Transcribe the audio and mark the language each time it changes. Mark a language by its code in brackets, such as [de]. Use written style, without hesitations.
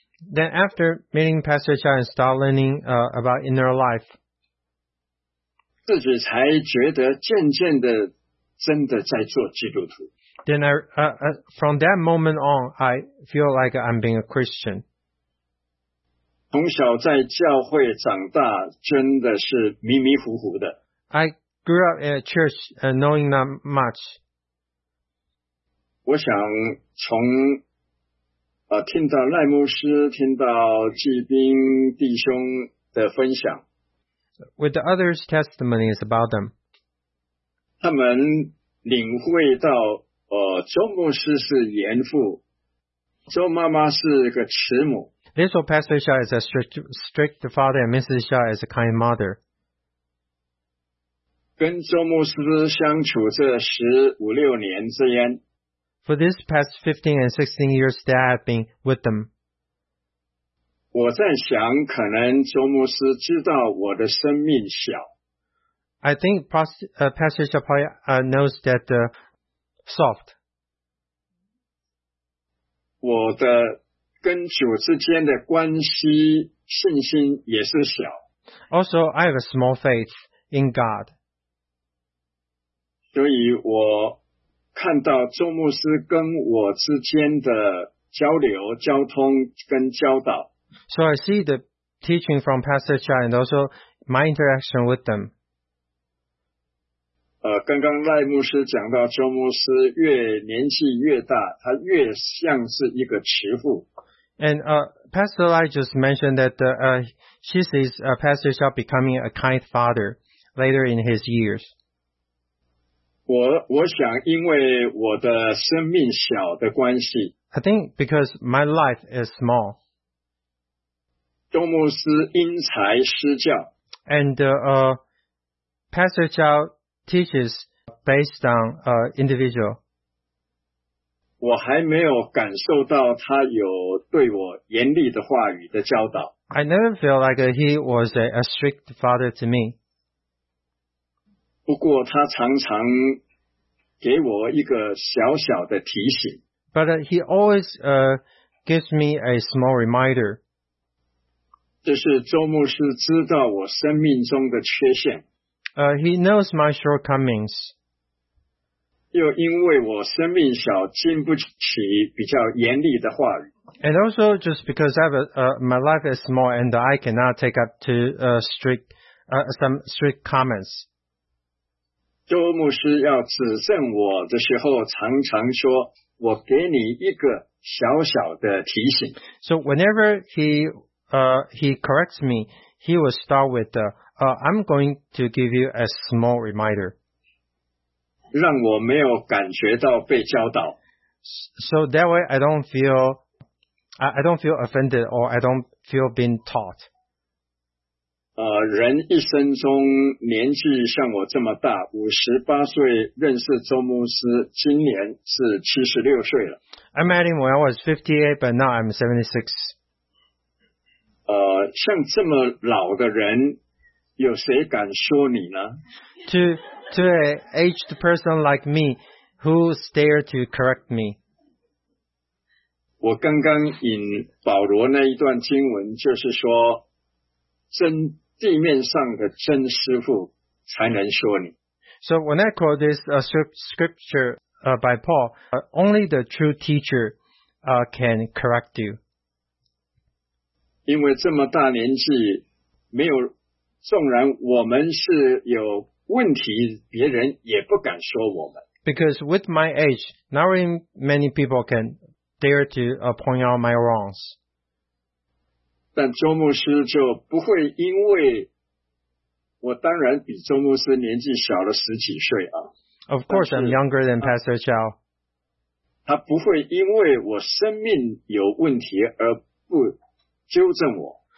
[en] Then after meeting Pastor Chan and start learning about inner life. [zh] 自己才觉得渐渐的真的在做基督徒。 [en] Then from that moment on, I feel like I'm being a Christian. [zh] 从小在教会长大，真的是迷迷糊糊的。 [en] I grew up in a church, knowing not much. [zh] 我想从听到赖牧师，听到纪斌弟兄的分享。 [en] With the others' testimonies about them. [zh] 他们领会到周牧师是严父，周妈妈是个慈母。 [en] This old Pastor Xiao is a strict father and Mrs. Xiao is a kind mother. [zh] 跟周牧师相处这十五六年之间 [en] For this past 15 and 16 years that I've been with them, [zh] 我在想可能周牧师知道我的生命小。 [en] I think Pastor Xiao probably knows that soft. [zh] 我的跟主之间的关系信心也是小。 [en] Also, I have a small faith in God. [zh] 所以我看到周牧师跟我之间的交流、交通跟教导。 [en] So I see the teaching from Pastor Chai and also my interaction with them. [zh] 刚刚赖牧师讲到周牧师越年纪越大他越像是一个慈父。 [en] And Pastor Lai just mentioned that she sees Pastor Xiao becoming a kind father later in his years. [zh] 我想因为我的生命小的关系 [en] I think because my life is small. [zh] 周牧师因材施教 [en] And Pastor Xiao teaches based on individual. [zh] 我还没有感受到他有对我严厉的话语的教导。 [en] I never felt like he was a strict father to me. [zh] 不过他常常给我一个小小的提醒。 [en] But he always gives me a small reminder. [zh] 就是周牧师知道我生命中的缺陷。 [en] He knows my shortcomings. [zh] 又因为我生命小，经不起比较严厉的话语。 [en] And also just because I have my life is small and I cannot take up to some strict comments. [zh] 周牧师要指正我的时候，常常说：“我给你一个小小的提醒。” [en] So whenever he corrects me, he will start with I'm going to give you a small reminder. [zh] 让我没有感觉到被教导。 [en] So that way I don't feel offended or I don't feel being taught. [zh] 人一生中年纪像我这么大，58岁认识周牧师，今年是76岁了。 [en] I met him when I was 58, but now I'm 76. [zh] 像这么老的人，有谁敢说你呢？ [en] To an aged person like me, who's there to correct me? [zh] 我刚刚引保罗那一段经文，就是说，真地面上的真师傅才能说你。 [en] So when I quote this scripture by Paul, only the true teacher can correct you. [zh] 因为这么大年纪，没有，纵然我们是有。问题别人也不敢说我们。 [en] Because with my age, not really many people can dare to point out my wrongs. [zh] 但周牧师就不会因为我当然比周牧师年纪小了十几岁啊。 [en] Of course, I'm younger than Pastor Chow. [zh] 他不会因为我生命有问题而不纠正我。